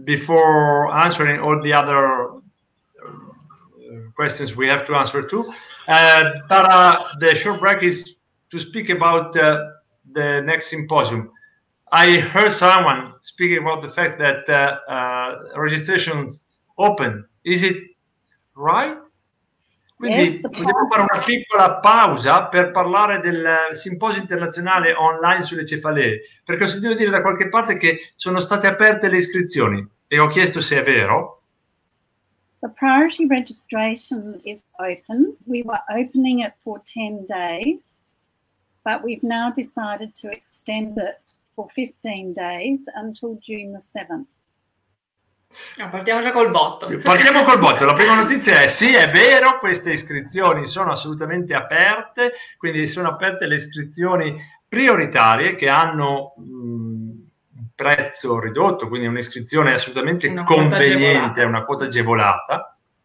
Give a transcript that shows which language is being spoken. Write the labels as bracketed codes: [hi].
[en] Before answering all the other questions we have to answer to. But the short break is to speak about the next symposium. I heard someone speaking about the fact that registrations open. Is it right? [it] Quindi possiamo fare una piccola pausa per parlare del simposio internazionale online sulle cefalee, perché ho sentito dire da qualche parte che sono state aperte le iscrizioni e ho chiesto se è vero. [en] The priority registration is open. We were opening it for 10 days, but we've now decided to extend it for 15 days until June the 7th. [it] No, partiamo già col botto. Partiamo col botto. La prima notizia è sì, è vero, queste iscrizioni sono assolutamente aperte, quindi sono aperte le iscrizioni prioritarie che hanno un prezzo ridotto, quindi un'iscrizione assolutamente conveniente, una quota agevolata,